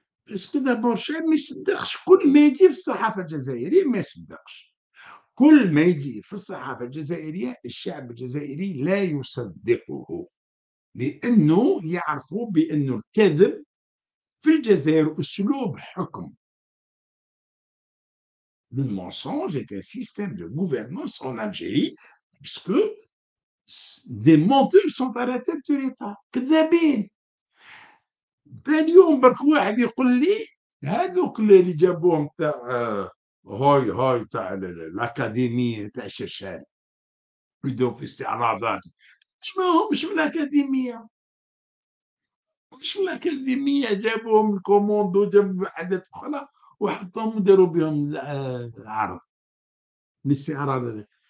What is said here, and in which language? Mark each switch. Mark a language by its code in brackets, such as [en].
[ar] اسكو دابور شي ما يصدقش كل ما يجي في الصحافه الجزائريه، ما يصدقش كل ما يجي في الصحافه الجزائريه. الشعب الجزائري لا يصدقه لانه يعرفوا بانه الكذب في الجزائر اسلوب حكم. [fr] Le mensonge est un système de gouvernance en Algérie puisque des menteurs sont à la tête de l'État. [ar] كذابين. اليوم برك واحد يقول لي هذوك اللي جابوهم تاع هاي تاع الأكاديمية تاع الشرشان يدوا في استعراضات، ما همش من الأكاديمية، مش من الأكاديمية، جابوهم الكوموندو، جابوا حاجات أخرى وحطهم وداروا بهم العرض من الاستعراض هذاك.